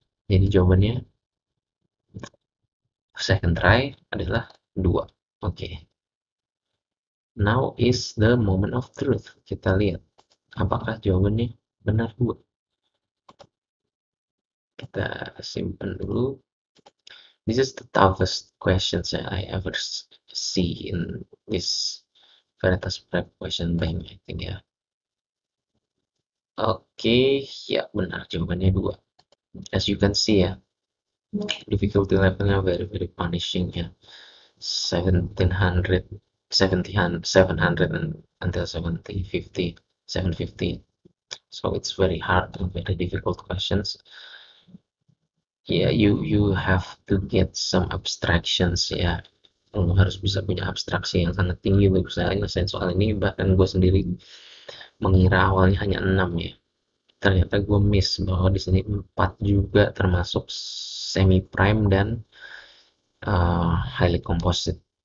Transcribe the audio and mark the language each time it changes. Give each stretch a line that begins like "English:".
Indonesian: Jadi jawabannya second try adalah 2. Oke. Okay.
English: Now is the moment of truth.
Indonesian: Kita lihat apakah jawabannya benar 2. Kita simpan dulu.
English: This is the toughest questions I ever see in this Veritas Prep Question Bank, I think ya.
Indonesian: Okay, ya benar jawabannya 2.
English: As you can see ya, difficulty levelnya very very punishing ya. 1700, 700 until 750, 750. So it's very hard and very difficult questions. Yeah, you have to get some abstractions ya.
Indonesian: Lo harus bisa punya abstraksi yang sangat tinggi untuk saya ngesain soal ini. Bahkan gue sendiri mengira awalnya hanya 6 ya. Ternyata gue miss bahwa di sini 4 juga termasuk semi prime dan highly composite.